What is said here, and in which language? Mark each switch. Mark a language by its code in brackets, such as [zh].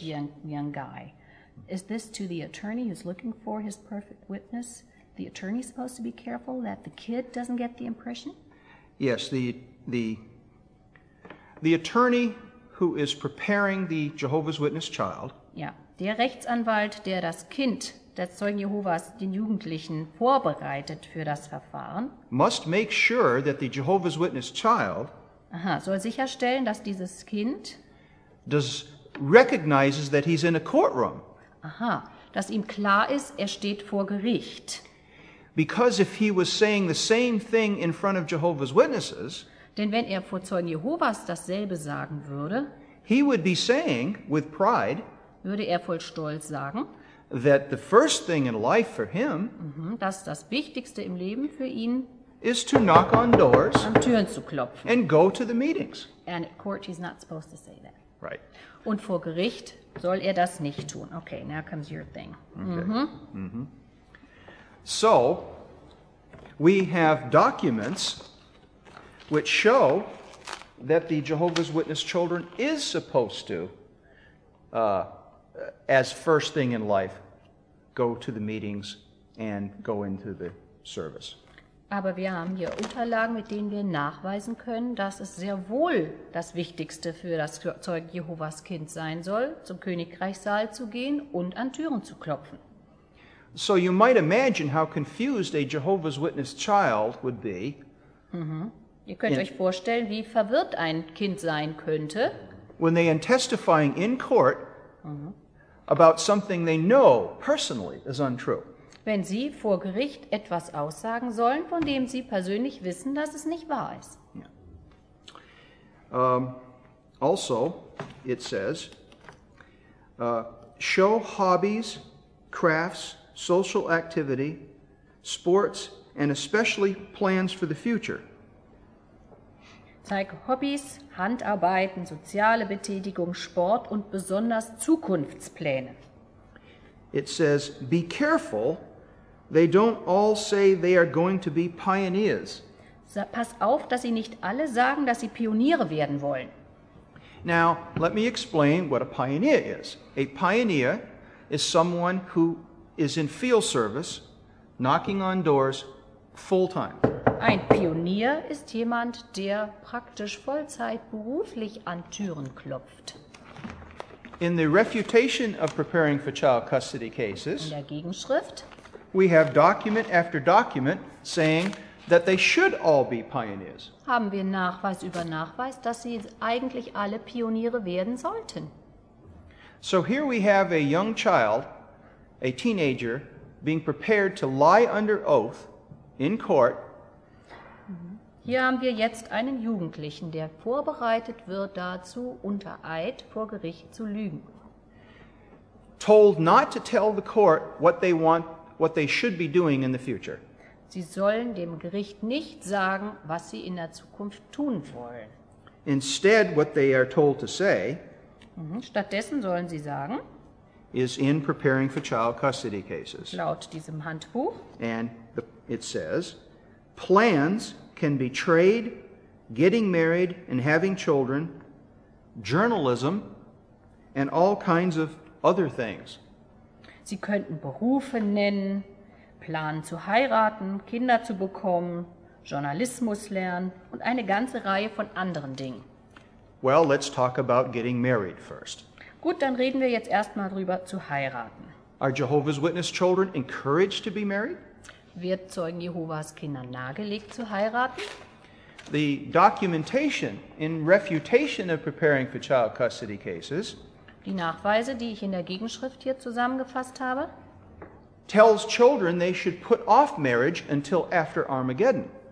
[en] young guy. Is this to the attorney who's looking for his perfect witness? The attorney is supposed to be careful that the kid doesn't get the impression? Yes, the attorney who is preparing the Jehovah's Witness child. [de] Ja, der Rechtsanwalt, der das Kind des Zeugen Jehovas, den Jugendlichen, vorbereitet für das Verfahren. [en] Must make sure that the Jehovah's Witness child [de] soll sicherstellen, dass dieses Kind [en] recognizes that he's in a courtroom. [de] Dass ihm klar ist, er steht vor Gericht. [en] Because if he was saying the same thing in front of Jehovah's Witnesses, [de] denn wenn er vor Zeugen Jehovas dasselbe sagen würde, [en] he would be saying with pride, [de] würde er voll Stolz sagen, [en] that the first thing in life for him, [de] dass das Wichtigste im Leben für ihn [en] is to knock on doors [de] an Türen zu klopfen. [en] And go to the meetings. And at court he's not supposed to say that. Right. [de] Und vor Gericht soll er das nicht tun. [en] Okay, now comes your thing. So, we have documents which show that the Jehovah's Witness children is supposed to, as first thing in life, go to the meetings and go into the service. [de] Aber wir haben hier Unterlagen, mit denen wir nachweisen können, dass es sehr wohl das Wichtigste für das Zeugen Jehovas Kind sein soll, zum Königreichssaal zu gehen und an Türen zu klopfen. [en] So you might imagine how confused a Jehovah's Witness child would be. [de] Ihr könnt euch vorstellen, wie verwirrt ein Kind sein könnte, [en] when they are testifying in court about something they know personally is untrue. [de] Wenn sie vor Gericht etwas aussagen sollen, von dem sie persönlich wissen, dass es nicht wahr ist. [en] Yeah. Also, it says, show hobbies, crafts, social activity, sports and especially plans for the future. [de] Zeig Hobbys, Handarbeiten, soziale Betätigung, Sport und besonders Zukunftspläne. [en] It says, be careful, they don't all say they are going to be pioneers. [de] Pass auf, dass sie nicht alle sagen, dass sie Pioniere werden wollen. [en] Now, let me explain what a pioneer is. A pioneer is someone who is in field service, knocking on doors, full time. [de] Ein Pionier ist jemand, der praktisch Vollzeit beruflich an Türen klopft. [en] In the refutation of preparing for child custody cases, [de] in der Gegenschrift, [en] we have document after document saying that they should all be pioneers. [de] Haben wir Nachweis über Nachweis, dass sie eigentlich alle Pioniere werden sollten. [en] So here we have a young child, a teenager, being prepared to lie under oath in court. [de] Hier haben wir jetzt einen Jugendlichen, der vorbereitet wird dazu, unter Eid vor Gericht zu lügen. [en] Told not to tell the court what they want, what they should be doing in the future. [de] Sie sollen dem Gericht nicht sagen, was sie in der Zukunft tun wollen. [en] Instead, what they are told to say, [de] stattdessen sollen sie sagen, [en] is in preparing for child custody cases. [de] Laut diesem Handbuch. [en] And it says, plans can be trade, getting married and having children, journalism, and all kinds of other things. [de] Sie könnten Berufe nennen, planen zu heiraten, Kinder zu bekommen, Journalismus lernen und eine ganze Reihe von anderen Dingen. [en] Well, let's talk about getting married first. [de] Gut, dann reden wir jetzt erstmal drüber zu heiraten. [en] Are Jehovah's Witness children encouraged to be married? [de] Wird Zeugen Jehovas Kindern nahegelegt zu heiraten? [en] The documentation in refutation of preparing for child custody cases. [de] Die Nachweise, die ich in der Gegenschrift hier zusammengefasst habe, [en] tells children they should put off marriage until after Armageddon.